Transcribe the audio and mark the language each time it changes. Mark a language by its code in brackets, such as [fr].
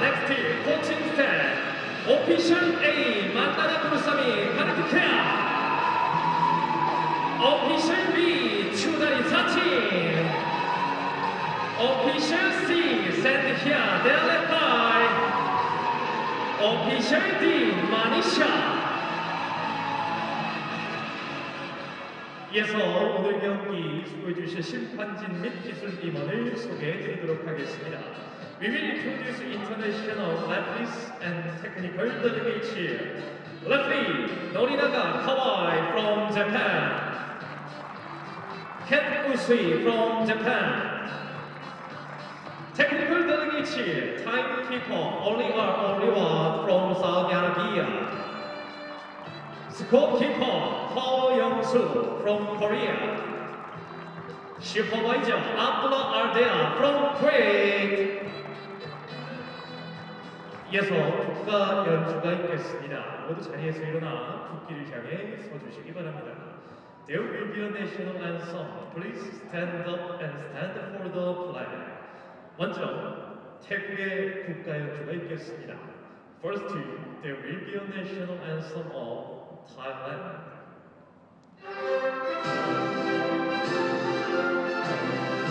[ko] 넥스트 팀 코칭 스텝 오피셜 A 만나다 부르사미 가르프케아 오피셜 B 추다리 사치 오피셜 C 샌드히아 델레파이 오피셜 D 마니샤 이어서 오늘 경기 수고해주신 심판진 및 기술팀원을 소개해드리도록 하겠습니다. [en] We will introduce international referees and technical delegates here. Referee Norinaga Kawai from Japan. Ken Usui from Japan. Technical delegates here. Timekeeper Oliver Oliva from Saudi Arabia. Scorekeeper Paul Young-soo from Korea. Supervisor Abdullah Ardea from Kuwait. [ko] 이어서 국가 연주가 있겠습니다. 모두 자리에서 일어나 국기를 향해 서주시기 바랍니다. [en] There will be a national anthem. Please stand up and stand for the flag. [ko] 먼저 태국의 국가 연주가 있겠습니다. [en] First, there will be a national anthem of Thailand.